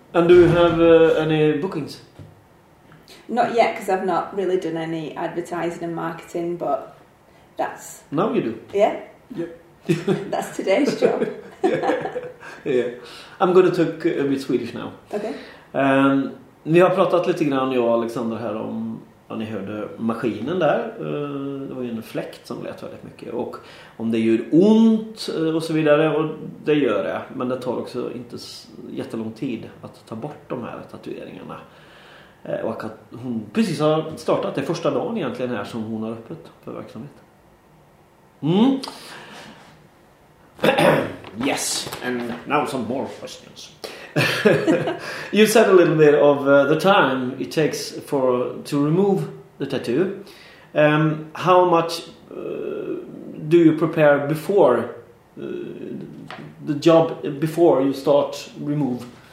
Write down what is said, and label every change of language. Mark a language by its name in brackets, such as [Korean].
[English] And do you have any bookings? Not yet, because I've not really done any advertising and marketing, but that's... Now you do. Yeah. Yep. That's today's job. Yeah. Yeah. I'm going to talk a bit Swedish now. Okay. [Swedish] Vi har pratat lite grann, jag och Alexander här, om att ni hörde maskinen där. Det var ju en fläkt som lät väldigt mycket. Och om det gör ont och så vidare, och det gör det. Men det tar också inte jättelång tid att ta bort de här tatueringarna. Och att hon precis har startat, det är första dagen egentligen här som hon har öppet för verksamhet. [English] Yes, and now some more questions. You said a little bit of the time it takes for to remove the tattoo. How much do you prepare before the job, before you start remove?